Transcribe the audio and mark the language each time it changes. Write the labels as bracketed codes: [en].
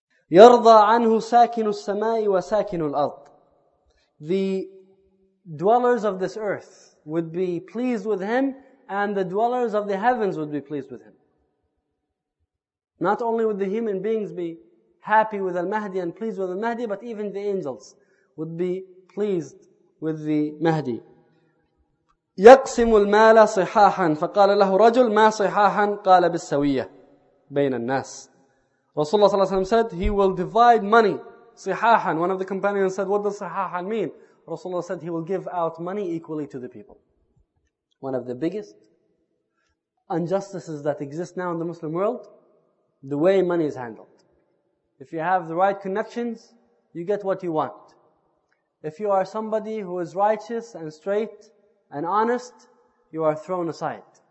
[ar] يَرْضَى عَنْهُ سَاكِنُ السَّمَاءِ وَسَاكِنُ الْأَرْضِ [en] The dwellers of this earth would be pleased with him, and the dwellers of the heavens would be pleased with him. Not only would the human beings be happy with Al-Mahdi and pleased with Al-Mahdi, but even the angels would be pleased with the Mahdi. [ar] يَقْسِمُ الْمَالَ صِحَاحًا فَقَالَ لَهُ رَجُلْ مَا صِحَاحًا قَالَ بِالسَّوِيَّةِ بَيْنَ النَّاسِ [en] Rasulullah صلى الله عليه وسلم said, he will divide money, [ar] صِحَاحًا. [en] One of the companions said, what does صِحَاحًا mean? Rasulullah said, he will give out money equally to the people. One of the biggest injustices that exist now in the Muslim world, the way money is handled. If you have the right connections, you get what you want. If you are somebody who is righteous and straight and honest, you are thrown aside.